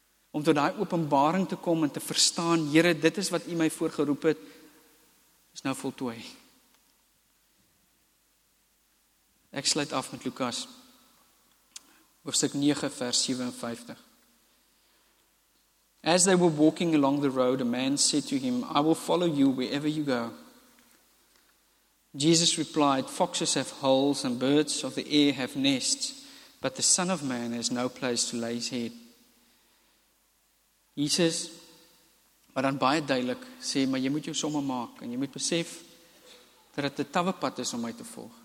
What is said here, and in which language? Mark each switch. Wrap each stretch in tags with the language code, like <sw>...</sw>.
<af>Om tot daai openbaring te kom en te verstaan, Here, dit is wat U my voorgeroep het, is nou voltooi. Ek sluit af met Lukas, hoofstuk 9 vers 57.</af> <en>As they were walking along the road, a man said to him, I will follow you wherever you go. Jesus replied, Foxes have holes and birds of the air have nests, but the Son of Man has no place to lay his head.</en> <af>Jesus, wat dan baie duidelik sê, maar jy moet jou somme maak en jy moet besef dat dit 'n tawwe pad is om my te volg.</af>